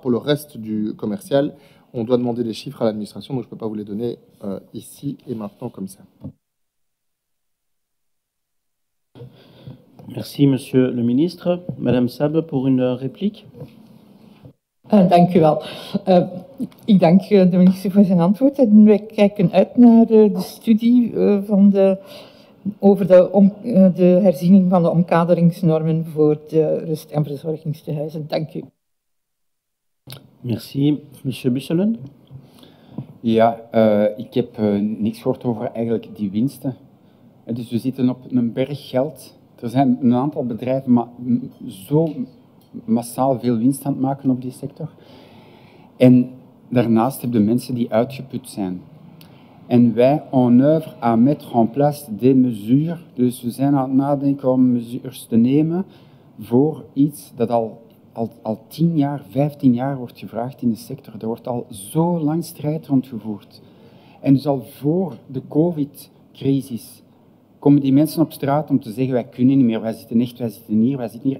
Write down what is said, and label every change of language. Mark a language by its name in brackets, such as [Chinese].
[French] Pour le reste du commercial, on doit demander des chiffres à l'administration, donc je ne peux pas vous les donner ici et maintenant comme ça. Merci, monsieur le ministre. Madame Sab, pour une réplique. [Dutch] Dank u wel. Ik dank de minister voor zijn antwoord. En wij kijken uit naar de studie van de, over de, om, de herziening van de omkaderingsnormen voor de rust- en verzorgingstehuizen. Dank u. [French] Merci. Monsieur Busselen? [Dutch] Ja, ik heb niks gehoord over eigenlijk die winsten. Dus we zitten op een berg geld. Er zijn een aantal bedrijven, maar zo massaal veel winst aan het maken op die sector. En daarnaast heb je de mensen die uitgeput zijn. En wij [French] on œuvre à mettre en place des mesures. [Dutch] Dus we zijn aan het nadenken om mesures te nemen voor iets dat al 10 jaar, 15 jaar wordt gevraagd in de sector. Er wordt al zo lang strijd rondgevoerd. En dus al voor de COVID-crisis komen die mensen op straat om te zeggen, wij kunnen niet meer, wij zitten hier.